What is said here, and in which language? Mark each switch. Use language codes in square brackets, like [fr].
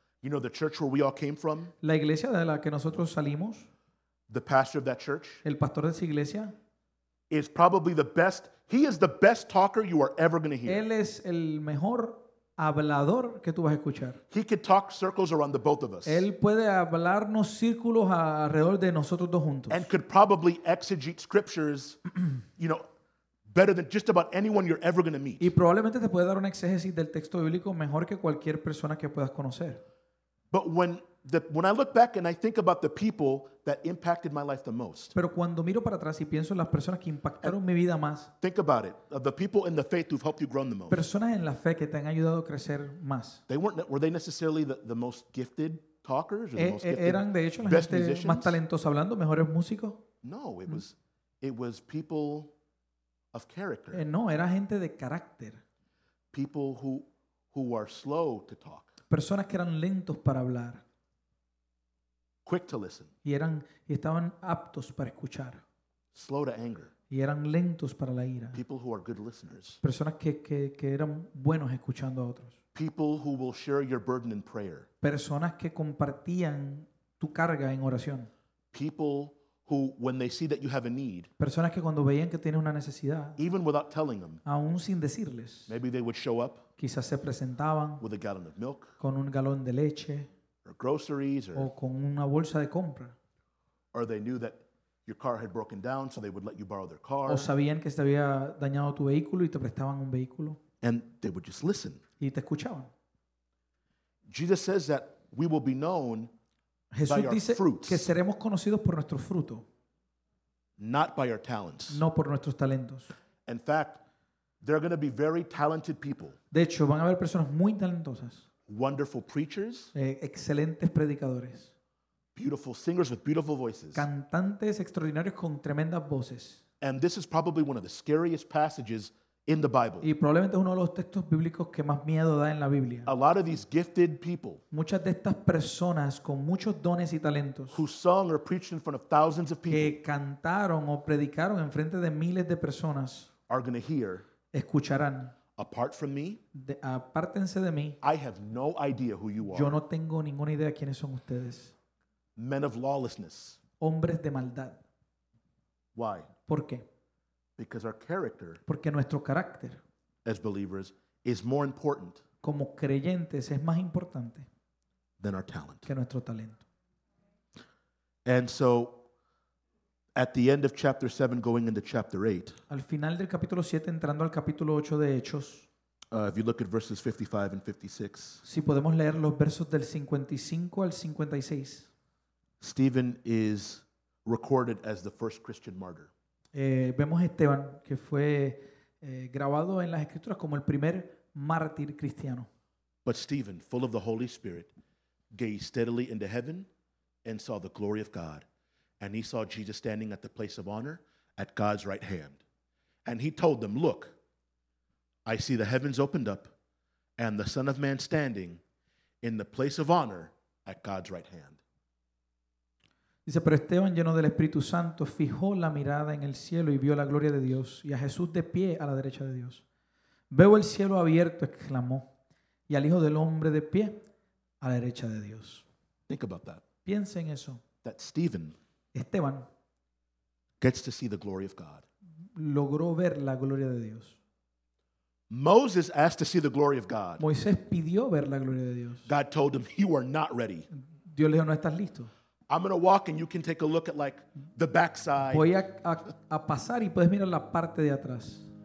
[en] You know, the church where we all came from. [es] La iglesia de la que nosotros salimos. [en] The pastor of that church, [es] el pastor de esa iglesia, [en] is probably the best. He is the best talker you are ever going to hear. [es] Él es el mejor hablador que tú vas a escuchar. [en] He could talk circles around the both of us. [es] Él puede hablarnos círculos alrededor de nosotros dos juntos. [en] And could probably exegete scriptures, you know, better than just about anyone you're ever going to meet. [es] Y probablemente te puede dar una exégesis del texto bíblico mejor que cualquier persona que puedas conocer. [en] But when I look back and I think about the people that impacted my life the most. [es] Pero cuando miro para atrás y pienso en las personas que impactaron mi vida más. [en] Think about it. The people in the faith who've helped you grow the most. [es] Personas en la fe que te han ayudado a crecer más. [en] Were they necessarily the most gifted talkers or the most [es] eran de hecho la gente más talentosa hablando, mejores músicos? [en] No, it was people of character. [es] No, era gente de carácter. [en] People who are slow to talk. [es] Personas que eran lentos para hablar. [en] Quick to listen. [es] Y estaban aptos para escuchar. [en] Slow to anger. [es] Y eran lentos para la ira. [en] People who are good listeners. [es] Personas que eran buenos escuchando a otros. [en] People who will share your burden in prayer. [es] Personas que compartían tu carga en oración. [en] People who, when they see that you have a need, [es] personas que cuando veían que tienes una necesidad, [en] even without telling them, [es] aún sin decirles, [en] maybe they would show up, [es] quizás se presentaban, [en] with a gallon of milk, [es] con un galón de leche, [en] or groceries, [es] o con una bolsa de compra, [en] or they knew that your car had broken down, so they would let you borrow their car, [es] o sabían que se había dañado tu vehículo y te prestaban un vehículo, [en] and they would just listen, [es] y te escuchaban. [en] Jesus says that we will be known. [es] Jesús dice que seremos conocidos por nuestro fruto. [en] Not by our talents. [es] No por nuestros talentos. [en] In fact, there are going to be very talented people. [es] De hecho, van a haber personas muy talentosas. [en] Wonderful preachers. [es] Excelentes predicadores. [en] Beautiful singers with beautiful voices. [es] Cantantes extraordinarios con tremendas voces. [en] And this is probably one of the scariest passages in the Bible. [es] Y probablemente es uno de los textos bíblicos que más miedo da en la Biblia. [en] A lot of these gifted people, [es] muchas de estas personas con muchos dones y talentos, [en] who sung or preached in front of thousands of people, [es] que cantaron o predicaron en frente de miles de personas, [en] are going to hear, [es] escucharán, [en] apart from me, [es] apártense de mí, [en] I have no idea who you are. [es] Yo no tengo ninguna idea de quiénes son ustedes. [en] Men of lawlessness. [es] Hombres de maldad. [en] Why? [es] ¿Por qué? [en] Because our character, [es] porque nuestro carácter, [en] as believers, is more important, [es] como creyentes, es más importante, [en] than our talent, [es] que nuestro talento. [en] And so, at the end of chapter 7, going into chapter 8, [es] al final del capítulo 7, entrando al capítulo 8 de Hechos, [en] if you look at verses 55 and 56, [es] si podemos leer los versos del 55 al 56, [en] Stephen is recorded as the first Christian martyr. [es] Vemos a Esteban, que fue grabado en las Escrituras como el primer mártir cristiano. [en] But Stephen, full of the Holy Spirit, gazed steadily into heaven and saw the glory of God. And he saw Jesus standing at the place of honor at God's right hand. And he told them, look, I see the heavens opened up and the Son of Man standing in the place of honor at God's right hand. [es] Dice, pero Esteban, lleno del Espíritu Santo, fijó la mirada en el cielo y vio la gloria de Dios y a Jesús de pie a la derecha de Dios. Veo el cielo abierto, exclamó, y al Hijo del Hombre de pie a la derecha de Dios. [en] Think about that. [es] Piensa en eso. [en] That Stephen, [es] Esteban, [en] gets to see the glory of God. [es] Logró ver la gloria de Dios. [en] Moses asked to see the glory of God. [es] Moisés pidió ver la gloria de Dios. [en] God told him, you are not ready. [es] Dios le dijo, no estás listo. [en] I'm going to walk and you can take a look at like the backside. [es] Voy a pasar y puedes mirar la parte de atrás.